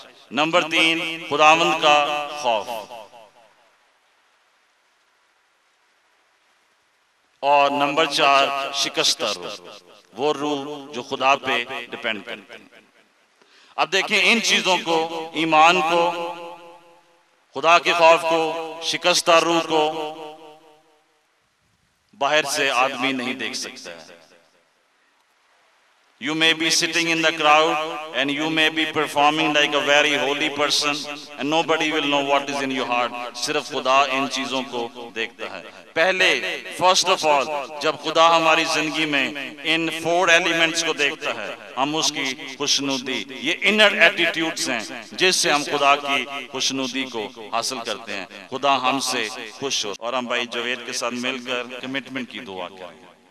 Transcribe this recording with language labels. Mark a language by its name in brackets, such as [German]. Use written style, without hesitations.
[Urdu] Number تین خداوند کا خوف, اور نمبر چار شکستہ روح, وہ روح جو خدا پہ ڈیپینڈ کرتے ہیں. اب دیکھیں ان چیزوں کو, ایمان کو, خدا کے خوف کو, شکستہ روح کو باہر سے آدمی نہیں دیکھ سکتا ہے. [English] You may be sitting in the crowd and you may be performing like a very holy person and nobody will know what is in your heart. [Urdu] صرف خدا ان چیزوں کو دیکھتا ہے. پہلے فرسٹ آف آل جب خدا ہماری زندگی میں [English] ان four elements [Urdu] کو دیکھتا ہے, ہم اس کی خوشنودی, یہ انر ایٹیٹیوڈز ہیں جس سے ہم خدا کی خوشنودی کو حاصل کرتے ہیں. خدا ہم سے خوش ہو, اور ہم بھائی جاوید کے ساتھ مل کر کمٹمنٹ کی دعا کریں.